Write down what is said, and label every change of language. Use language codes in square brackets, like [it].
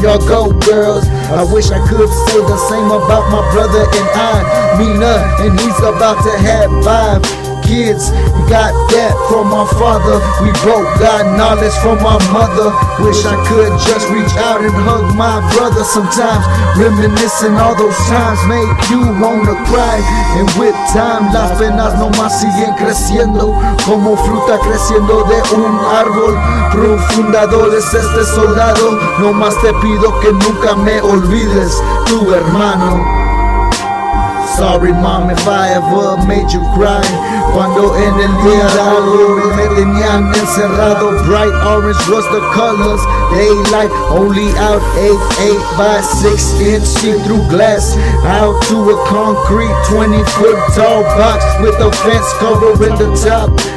[en] Y'all go, girls. I wish I could say the same about my brother and I, Mina, and he's about to have five kids. Got that from my father, we broke, got knowledge from my mother. Wish I could just reach out and hug my brother sometimes. Reminiscing all those times make you wanna cry. And with time, [es] las penas nomás siguen creciendo, como fruta creciendo de un árbol. Profundadores este soldado, nomás te pido que nunca me olvides, tu hermano. [en] Sorry mom if I ever made you cry. [es] Cuando en el día de hoy me tenían encerrado, [en] bright orange was the colors, daylight only out 8 by 6 inch see through glass, out to a concrete 20 foot tall box with a fence covering the top.